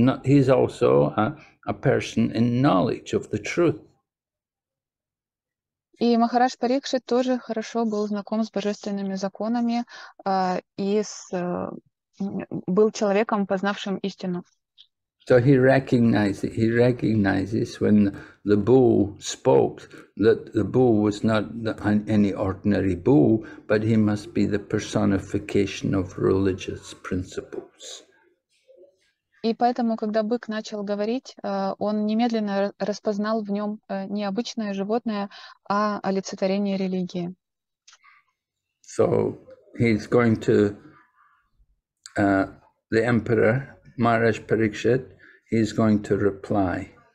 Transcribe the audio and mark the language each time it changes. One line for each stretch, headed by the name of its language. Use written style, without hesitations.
English: He's also a person in knowledge of the truth.
Russian: И Махарадж Парикшит тоже хорошо был знаком с божественными законами и с, был человеком, познавшим истину.
English: So he recognizes when the bull spoke that the bull was not any ordinary bull, but he must be the personification of religious principles.
Russian: И поэтому, когда бык начал говорить, он немедленно распознал в нем не обычное животное, а олицетворение религии.
English: So he's going to the emperor Maharaj Parikshit, he's going to reply.